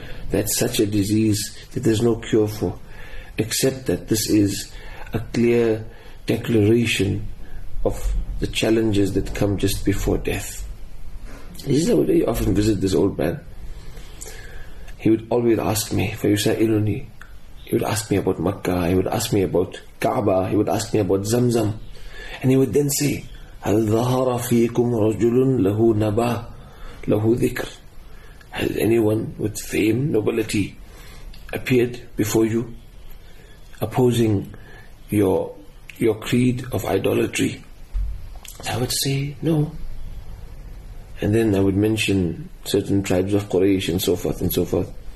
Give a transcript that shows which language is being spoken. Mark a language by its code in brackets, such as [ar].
[en] That's such a disease that there's no cure for, except that this is a clear declaration of the challenges that come just before death. He says, I would very often visit this old man. He would always ask me, [ar] فَيُسَائِلُنِي. [en] He would ask me about Makkah, he would ask me about Kaaba, he would ask me about Zamzam. And he would then say, [ar] هَلْ ذَهَرَ فِيكُمْ رَجُلٌ لَهُ نَبَى لَهُ ذِكْرٌ. [en] Has anyone with fame, nobility, appeared before you, opposing your creed of idolatry? So I would say, no. And then I would mention certain tribes of Quraysh and so forth and so forth.